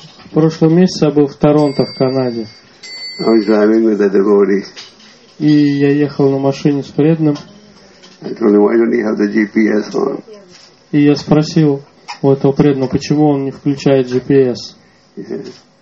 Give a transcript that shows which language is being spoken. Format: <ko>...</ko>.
<ru>В прошлом месяце я был в Торонто, в Канаде.</ru> <en>I was driving with a devotee.</en> <ru>И я ехал на машине с преданным.</ru> <en>I told him, why don't you have the GPS on?</en> <ru>И я спросил у этого преданного, почему он не включает GPS.</ru>